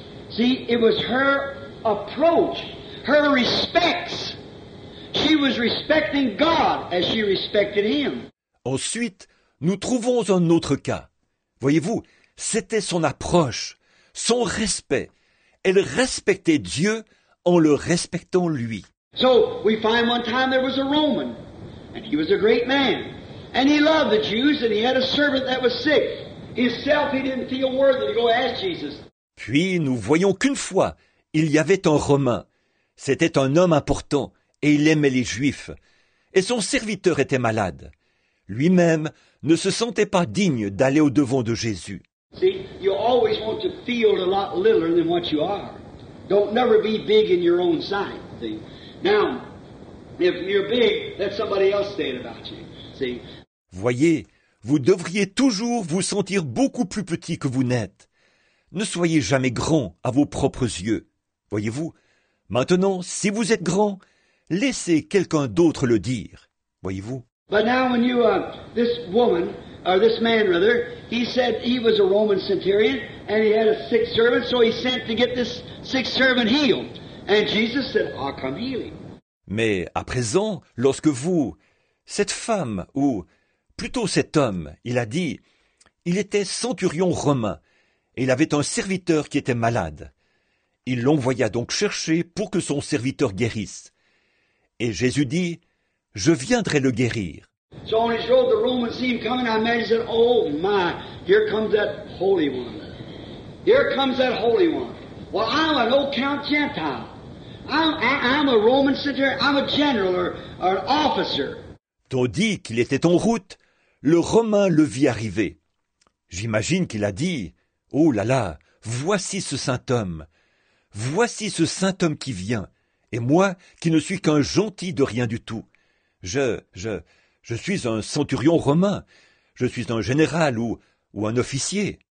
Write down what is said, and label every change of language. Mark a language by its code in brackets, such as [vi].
[en] See, it was her approach, her respects. She was respecting God as she respected him. [fr] Ensuite, nous trouvons un autre cas. Voyez-vous, c'était son approche, son respect. Elle respectait Dieu en le respectant lui. [en] So, we find one time there was a Roman, and he was a great man. And he loved the Jews, and he had a servant that was sick. Himself, he didn't feel worthy to go ask Jesus. [fr] Puis, nous voyons qu'une fois, il y avait un Romain. C'était un homme important, et il aimait les Juifs. Et son serviteur était malade. Lui-même ne se sentait pas digne d'aller au-devant de Jésus. [en] See, you always want to feel a lot littler than what you are. Don't never be big in your own sight. See? Now, if you're big, let somebody else say it about you. See? [fr] Voyez, vous devriez toujours vous sentir beaucoup plus petit que vous n'êtes. Ne soyez jamais grand à vos propres yeux. Voyez-vous, maintenant, si vous êtes grand, laissez quelqu'un d'autre le dire. Voyez-vous. [en] But now when you, this woman, or this man rather, he said he was a Roman centurion, and he had a sick servant, so he sent to get this sick servant healed. And Jesus said, I'll come heal him. [fr] Mais à présent, lorsque vous, cette femme, ou plutôt cet homme, il a dit, il était centurion romain, et il avait un serviteur qui était malade. Il l'envoya donc chercher pour que son serviteur guérisse. Et Jésus dit, je viendrai le guérir. [en] So on his road, the Roman see him coming. I imagine said, oh my, here comes that holy one. Here comes that holy one. Well, I'm an old count Gentile. I'm a Roman centurion. I'm a general or an officer. [fr] Tandis qu'il était en route, le Romain le vit arriver. J'imagine qu'il a dit, oh là là, voici ce saint homme. Voici ce saint homme qui vient. Et moi, qui ne suis qu'un gentil de rien du tout. Je suis un centurion romain. Je suis un général ou un officier.